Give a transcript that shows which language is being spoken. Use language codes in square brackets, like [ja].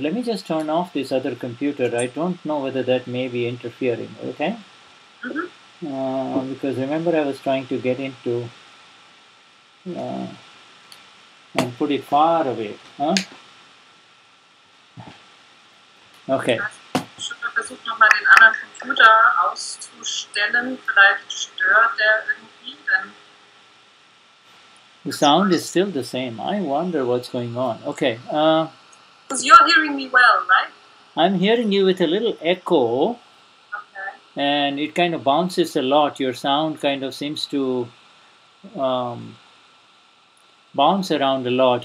[en] Let me just turn off this other computer. I don't know whether that may be interfering, okay? Mm-hmm. Because remember I was trying to get into and put it far away, huh? Okay. [de] Ich habe versucht, nochmal den anderen Computer auszustellen. Vielleicht stört der irgendwie, denn... [en] The sound is still the same. I wonder what's going on. Okay. Because you're hearing me well, right? I'm hearing you with a little echo. And it kind of bounces a lot. Your sound kind of seems to bounce around a lot.